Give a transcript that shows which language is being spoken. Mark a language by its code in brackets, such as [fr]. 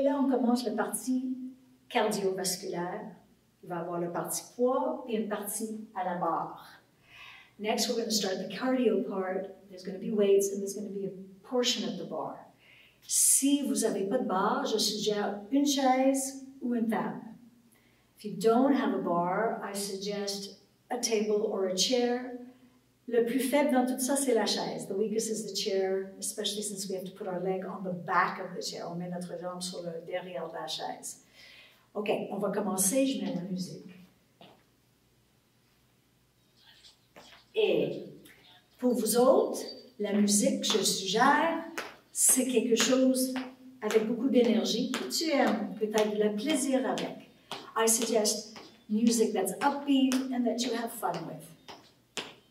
[fr] commence la partie cardiovasculaire, il va avoir la partie poids et une partie à la barre. [en] Next, we're going to start the cardio part. There's going to be weights and there's going to be a portion of the bar. [fr] Si vous n'avez pas de bar, je suggère une chaise ou une table. [en] If you don't have a bar, I suggest a table or a chair. [fr] Le plus faible dans tout ça, c'est la chaise. [en] The weakest is the chair, especially since we have to put our leg on the back of the chair. [fr] On met notre jambe sur le derrière de la chaise. OK, on va commencer. Je mets la musique. Et pour vous autres, la musique que je suggère, c'est quelque chose avec beaucoup d'énergie que tu aimes, que tu as du plaisir avec. [en] I suggest music that's upbeat and that you have fun with.